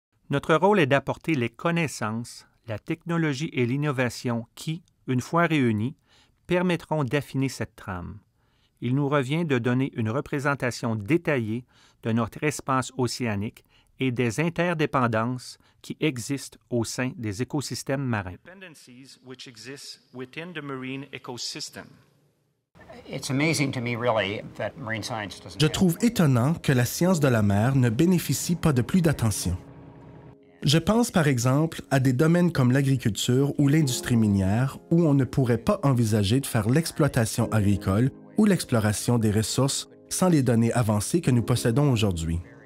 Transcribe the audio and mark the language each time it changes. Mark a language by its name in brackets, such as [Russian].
[French] Notre rôle est d'apporter les connaissances, la technologie et l'innovation qui, une fois réunies, permettront d'affiner cette trame. Il nous revient de donner une représentation détaillée de notre espace océanique et des interdépendances qui existent au sein des écosystèmes marins. [English] Dependencies which exist within the marine ecosystem. It's amazing to me, really, that marine science doesn't... [French] Je trouve étonnant que la science de la mer ne bénéficie pas de plus d'attention. Je pense, par exemple, à des domaines comme l'agriculture ou l'industrie minière où on ne pourrait pas envisager de faire l'exploitation agricole ou l'exploration des ressources sans les données avancées que nous possédons aujourd'hui.